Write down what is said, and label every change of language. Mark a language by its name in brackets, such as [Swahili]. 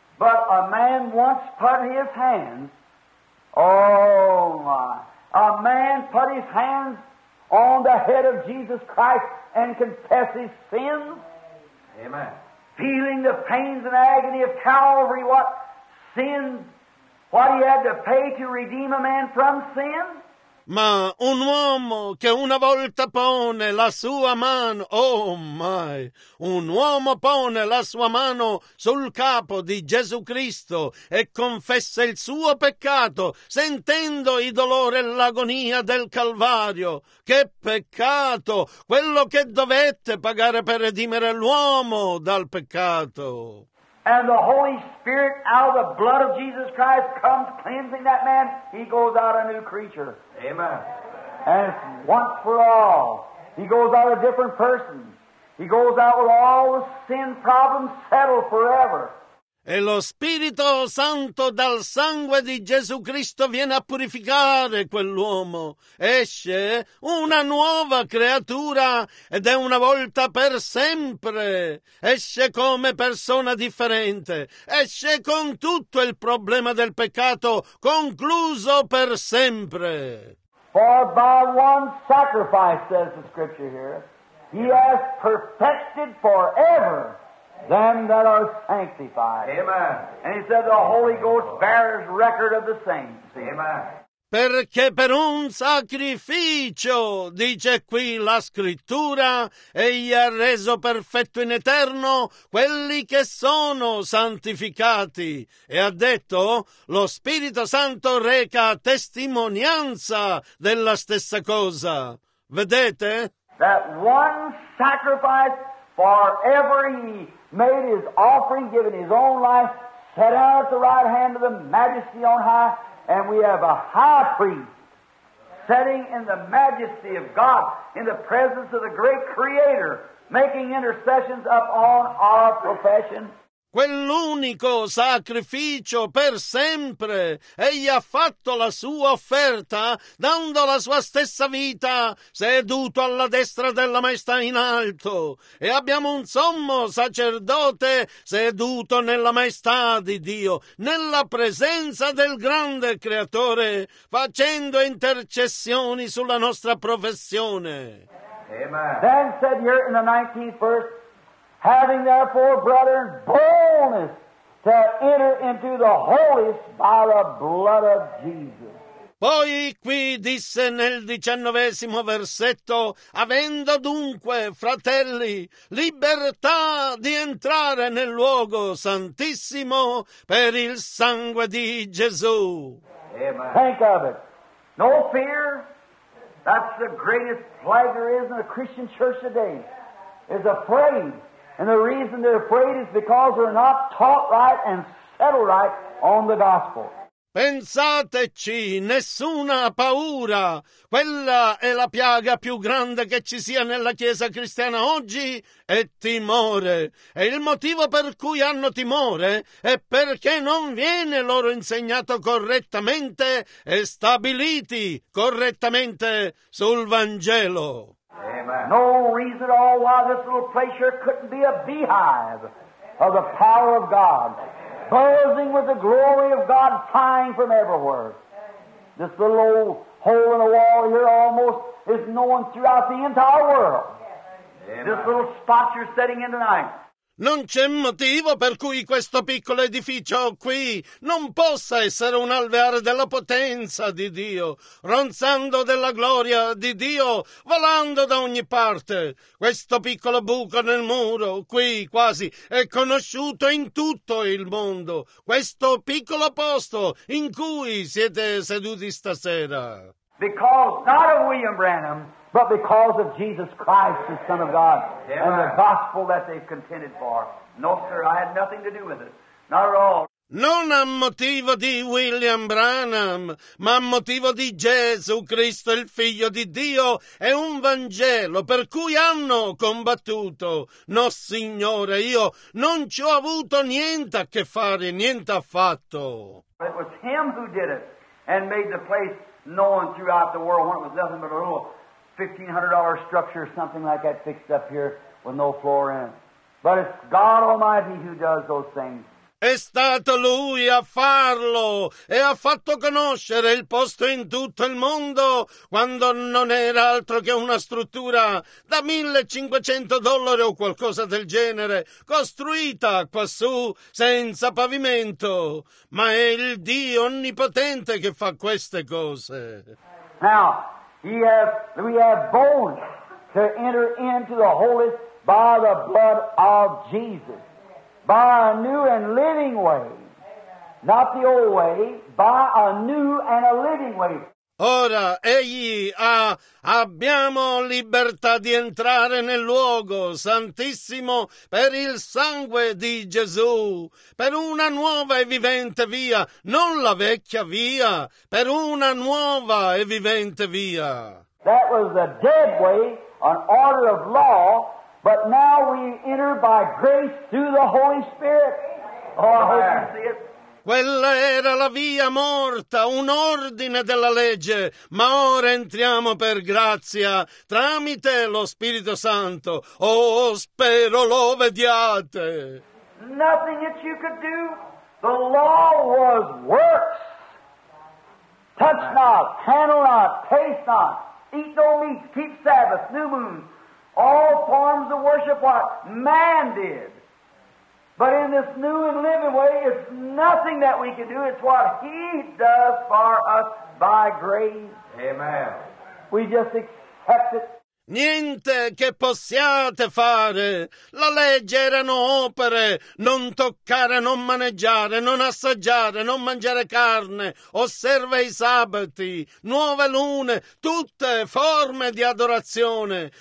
[English] But a man once put his hands, oh my, a man put his hands on the head of Jesus Christ and confess his sins. Amen. Feeling the pains and agony of Calvary, what sin, what he had to pay to redeem a man from sin. [Italian] Ma un uomo che una volta pone la sua mano, [English] oh my, [Italian] un uomo pone la sua mano sul capo di Gesù Cristo e confessa il suo peccato, sentendo il dolore e l'agonia del Calvario. Che peccato! Quello che dovette pagare per redimere l'uomo dal peccato. [English] And the Holy Spirit out of the blood of Jesus Christ comes cleansing that man. He goes out a new creature. Amen. And it's once for all. He goes out a different person. He goes out with all the sin problems settled forever. [Italian] E lo Spirito Santo dal sangue di Gesù Cristo viene a purificare quell'uomo. Esce una nuova creatura ed è una volta per sempre. Esce come persona differente. Esce con tutto il problema del peccato concluso per sempre. [English] For by one sacrifice, says the scripture here, he has perfected forever them that are sanctified. Amen. And he said the Holy Ghost bears record of the saints. Amen. [Italian] Perché per un sacrificio, dice qui la scrittura, egli ha reso perfetto in eterno quelli che sono santificati. E ha detto, lo Spirito Santo reca testimonianza della stessa cosa. Vedete? [English] That one sacrifice for every made his offering, given his own life, set out at the right hand of the majesty on high, and we have a high priest sitting in the majesty of God, in the presence of the great Creator, making intercessions upon our profession. [Italian] Quell'unico sacrificio per sempre. Egli ha fatto la sua offerta dando la sua stessa vita, seduto alla destra della maestà in alto. E abbiamo un sommo sacerdote seduto nella maestà di Dio, nella presenza del grande Creatore, facendo intercessioni sulla nostra professione. [English] Amen. Then said here in the 19th verse, having therefore, brethren, boldness to enter into the holiest by the blood of Jesus. [Italian] Poi qui disse nel 19° versetto, avendo dunque, fratelli, libertà di entrare nel luogo santissimo per il sangue di Gesù. [English] Amen. Think of it. No fear. That's the greatest plague there is in the Christian church today. Is afraid. And the reason they're afraid is because they're not taught right and settled right on the gospel. [Italian] Pensateci, nessuna paura. Quella è la piaga più grande che ci sia nella Chiesa cristiana oggi, è timore. E il motivo per cui hanno timore è perché non viene loro insegnato correttamente e stabiliti correttamente sul Vangelo. [English] Amen. No reason at all why this little place here couldn't be a beehive of the power of God, buzzing with the glory of God flying from everywhere. This little old hole in the wall here almost is known throughout the entire world. Amen. This little spot you're sitting in tonight. [Italian] Non c'è motivo per cui questo piccolo edificio qui non possa essere un alveare della potenza di Dio, ronzando della gloria di Dio, volando da ogni parte. Questo piccolo buco nel muro, qui quasi, è conosciuto in tutto il mondo. Questo piccolo posto in cui siete seduti stasera. [English] Because not of William Branham, but because of Jesus Christ, the Son of God, yeah, and the gospel that they've contended for. No, sir, I had nothing to do with it. Not at all. [Italian] Non a motivo di William Branham, ma a motivo di Gesù Cristo, il Figlio di Dio, è un Vangelo per cui hanno combattuto. No, Signore, io non ci ho avuto niente a che fare, niente affatto. [English] But it was him who did it and made the place known throughout the world when it was nothing but a little $1,500 structure, something like that, fixed up here with no floor in it. But it's God Almighty who does those things. [Italian] È stato Lui a farlo e ha fatto conoscere il posto in tutto il mondo quando non era altro che una struttura da $1,500 o qualcosa del genere, costruita quassù senza pavimento. Ma è il Dio Onnipotente che fa queste cose. [English] Now, we have bones to enter into the holiest by the blood of Jesus. By a new and living way. Not the old way, by a new and a living way. [Italian] Ora, abbiamo libertà di entrare nel luogo santissimo per il sangue di Gesù, per una nuova e vivente via, non la vecchia via, per una nuova e vivente via. [English] That was a dead way, an order of law, but now we enter by grace through the Holy Spirit. Oh, I hope you see it. [Italian] Quella era la via morta, un ordine della legge, ma ora entriamo per grazia tramite lo Spirito Santo. Oh, spero lo vediate. [English] Nothing that you could do. The law was works. Touch not, handle not, taste not, eat no meat, keep Sabbath, new moon. All forms of worship what man did. But in this new and living way, it's nothing that we can do. It's what He does for us by grace. Amen. We just accept it. [Italian] Niente che possiate fare. La legge erano opere. Non toccare, non maneggiare, non assaggiare, non mangiare carne. Osserva i sabati, nuove lune, tutte forme di adorazione.